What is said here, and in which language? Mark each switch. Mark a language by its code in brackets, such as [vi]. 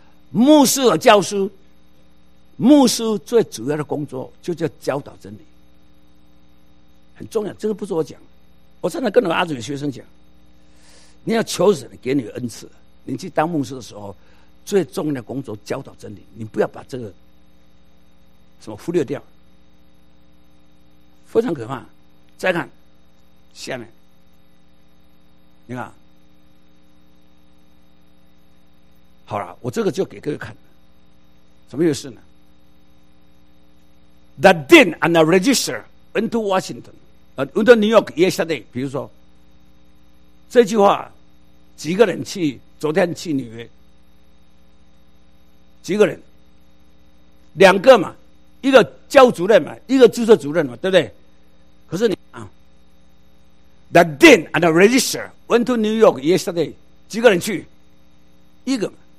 [zh] 牧师和教师，牧师最主要的工作就叫教导真理，很重要。这个不是我讲，我常常跟我阿祖的学生讲，你要求神给你恩赐，你去当牧师的时候最重要的工作教导真理，你不要把这个什么忽略掉，非常可怕。再看下面，你看好了，我这个就给各位看，什么意思呢？ [en] The dean and the register went to Washington went to New York yesterday。 [zh] 比如说这句话，几个人去，昨天去纽约，几个人，两个嘛，一个教主任嘛，一个注册主任嘛，对不对？可是你啊 ， The dean and the register went to New York yesterday。几个人去？一个嘛。